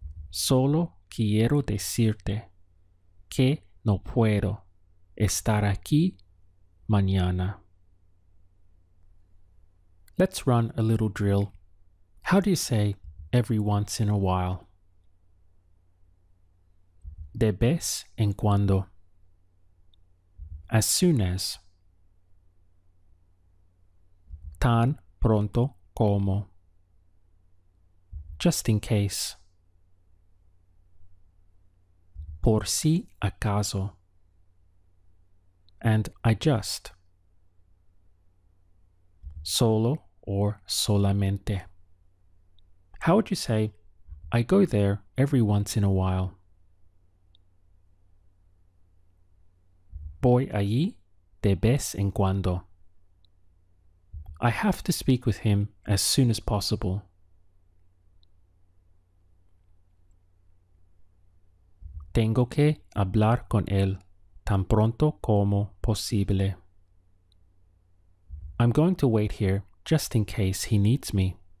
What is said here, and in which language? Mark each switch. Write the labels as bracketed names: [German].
[Spanish] Solo quiero decirte que no puedo estar aquí mañana. [English] Let's run a little drill. How do you say every once in a while? [Spanish] De vez en cuando. [English] As soon as. [Spanish] Tan pronto como. [English] Just in case. [Spanish] Por si acaso. [English] And I just. [Spanish] Solo or solamente. [English] How would you say, I go there every once in a while? [Spanish] Voy allí de vez en cuando. [English] I have to speak with him as soon as possible. [Spanish] Tengo que hablar con él tan pronto como posible. [English] I'm going to wait here just in case he needs me.